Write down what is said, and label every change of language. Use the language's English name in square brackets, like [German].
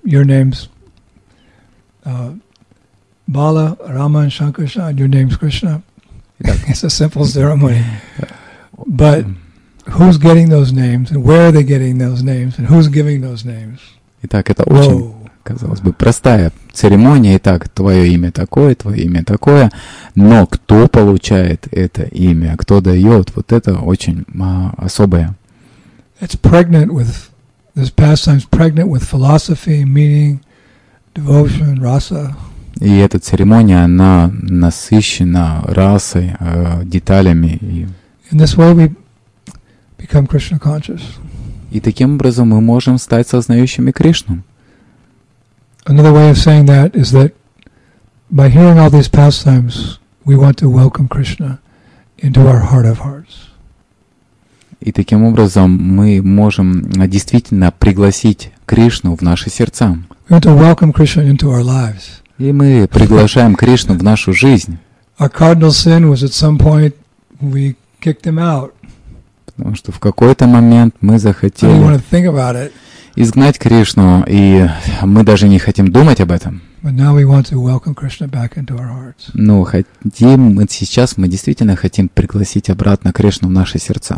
[English] Your names, Bala, Rama, and Shankarsha, and your name's Krishna. It's a simple ceremony. But who's getting those names, and where are they getting those names, and who's giving those names? [Russian] Итак, это очень, казалось бы, простая церемония. Итак, твое имя такое, но кто получает это имя, кто дает, вот это очень особое. [English] It's pregnant with This pastime is pregnant with philosophy, meaning, devotion, rasa. [Russian] И эта церемония, она насыщена расой, деталями. [English] In this way we become Krishna conscious. [Russian] И таким образом мы можем стать сознающими Кришну. [English] Another way of saying that is that by hearing all these pastimes, we want to welcome Krishna into our heart of hearts. [Russian] И таким образом мы можем действительно пригласить Кришну в наши сердца. [English] We want to welcome Krishna into our lives. [Russian] И мы приглашаем Кришну в нашу жизнь. [English] Our cardinal sin was at some point we kicked him out. [Russian] Потому что в какой-то момент мы захотели. [English] We want to think about it. [Russian] Изгнать Кришну, и мы даже не хотим думать об этом. Но хотим, сейчас мы действительно хотим пригласить обратно Кришну в наши сердца.